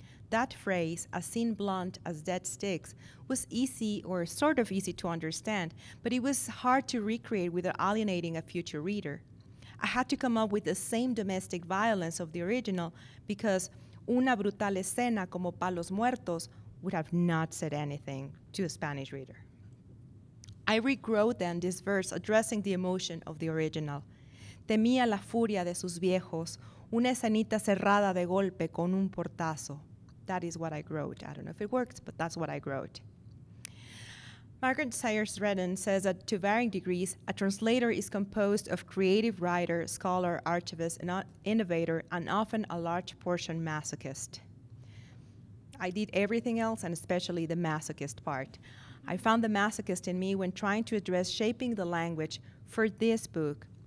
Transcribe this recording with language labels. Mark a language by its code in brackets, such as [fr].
[en] That phrase, as seen blunt as dead sticks, was easy or sort of easy to understand, but it was hard to recreate without alienating a future reader. I had to come up with the same domestic violence of the original because [es] una brutal escena como palos muertos [en] would have not said anything to a Spanish reader. I regrow then this verse addressing the emotion of the original. [es] Temía la furia de sus viejos, una escenita cerrada de golpe con un portazo. [en] That is what I wrote. I don't know if it works, but that's what I wrote. Margaret Sayers Redden says that to varying degrees, a translator is composed of creative writer, scholar, archivist, and innovator, and often a large portion masochist. I did everything else, and especially the masochist part. I found the masochist in me when trying to address shaping the language for this book.